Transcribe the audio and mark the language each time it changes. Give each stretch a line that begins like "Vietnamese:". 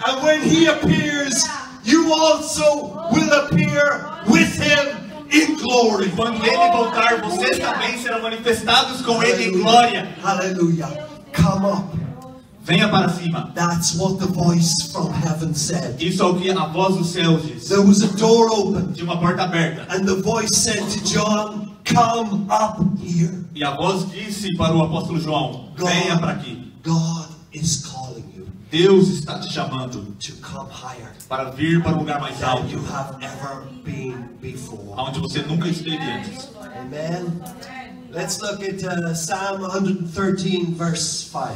English: And when He appears, you also will appear with Him in glory.
Portuguese: Quando Ele voltar, vocês também serão manifestados com Ele em glória.
English: Hallelujah. Come up.
Portuguese: Venha para cima.
English: That's what the voice from heaven said.
Portuguese: Isso é o que a voz do céu diz.
English: There was a door open.
Portuguese: De uma porta aberta.
English: And the voice said to John, "Come up here."
Portuguese: E a voz disse para o apóstolo João, venha para aqui.
English: God is calling you.
Portuguese: Deus está te chamando
English: to come higher.
Portuguese: Para vir para um lugar mais alto.
English: You have never been before.
Portuguese: Aonde você nunca esteve antes.
English: Amen. Let's look at Psalm 113, verse 5.